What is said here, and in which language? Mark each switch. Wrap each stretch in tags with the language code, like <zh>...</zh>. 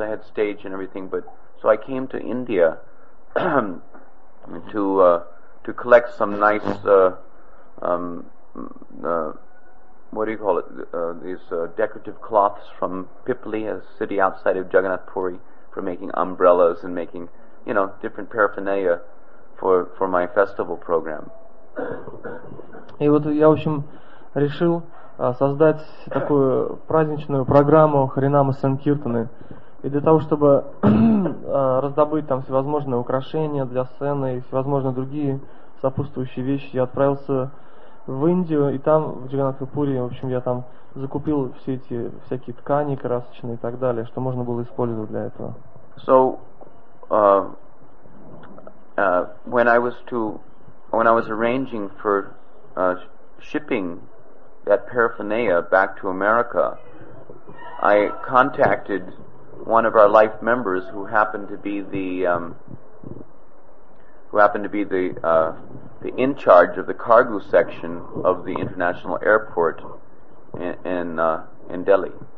<en>I had stage and everything, but so I came to India to collect some nice decorative cloths from Pipli, a city outside of Jagannath Puri, for making umbrellas and making, you know, different paraphernalia for my festival program.</en> <ru>И вот я, в общем, решил создать такую праздничную программу Харинама Санкиртаны. И для того, чтобы раздобыть там всевозможные украшения для сцены и всевозможные другие сопутствующие вещи, я отправился в Индию, и там, в Джаганнатхапуре, в общем, я там закупил все эти всякие ткани красочные и так далее, что можно было использовать для этого.</ru> <en>So, when I was arranging for shipping that paraphernalia back to America, I contacted one of our life members who happened to be the in charge of the cargo section of the international airport in Delhi.</en>